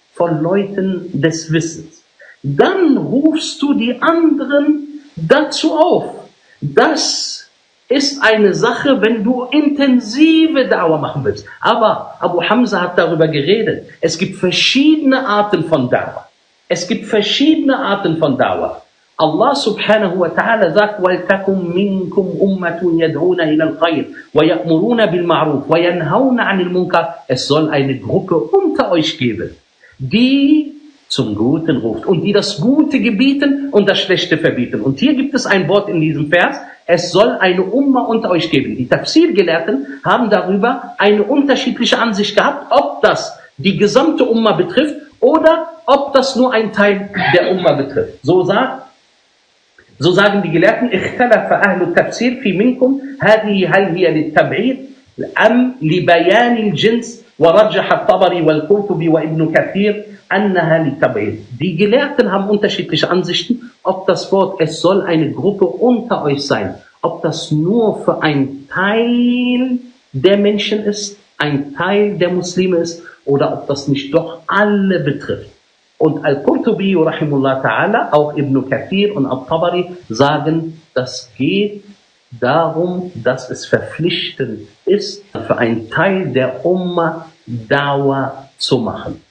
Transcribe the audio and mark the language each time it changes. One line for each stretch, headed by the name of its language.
German: Von Leuten des Wissens. Dann rufst du die anderen dazu auf. Das ist eine Sache, wenn du intensive Dawa machen willst. Aber Abu Hamza hat darüber geredet. Es gibt verschiedene Arten von Dawa. Es gibt verschiedene Arten von Dawa. Allah subhanahu wa ta'ala sagt,
Arabic: وَلْتَكُمْ مِنْكُمْ أُمَّةٌ يَدْعُونَ إِلَى الْخَيْرِ وَيَأْمُرُونَ بِالْمَعْرُوفِ وَيَنْهَوْنَ عَنِ الْمُنْكَرِ.
German: Es soll eine Gruppe unter euch geben, die zum Guten ruft und die das Gute gebieten und das Schlechte verbieten. Und hier gibt es ein Wort in diesem Vers, es soll eine Umma unter euch geben. Die Tafsir-Gelehrten haben darüber eine unterschiedliche Ansicht gehabt, ob das die gesamte Umma betrifft oder ob das nur ein Teil der Umma betrifft. So sagen die Gelehrten,
Arabic: اختلف أهل التفسير في منكم هذه هل هي للتبعيد أم لبيان الجنس ورجح الطبري والقرطبي وابن كثير أنها للتبعيد.
German: Die Gelehrten haben unterschiedliche Ansichten, ob das Wort, es soll eine Gruppe unter euch sein, ob das nur für ein Teil der Menschen ist, ein Teil der Muslime ist, oder ob das nicht doch alle betrifft. Und Al-Qurtubi, rahimullah ta'ala, auch Ibn Kathir und Al-Tabari sagen, das geht darum, dass es verpflichtend ist, für einen Teil der Umma Dawa zu machen.